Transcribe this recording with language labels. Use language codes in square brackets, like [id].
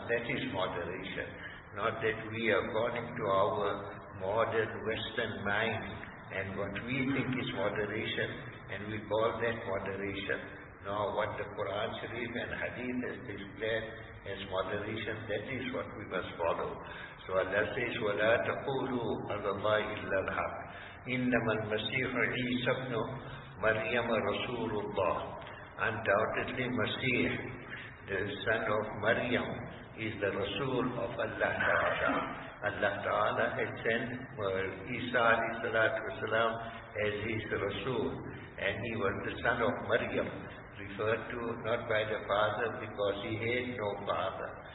[en] That is moderation. Not that we, according to our modern Western mind, and what we think is moderation, and we call that moderation. Now what the Quran Sharif and Hadith has declared as moderation, that is what we must follow. So Allah says, [ar] وَلَا تَقُولُوا عَلَى اللَّهِ إِلَّا الْحَقِّ إِنَّمَا الْمَسِيحُ عِيسَى ابْنُ مَرْيَمَ رَسُولُ اللَّهِ. [en] Undoubtedly Masih, the son of Maryam, is the Rasul of Allah Ta'ala. Allah Ta'ala has sent Isa alayhi salatu wasalam as his Rasul, and he was the son of Maryam, referred to not by the father because he had no father.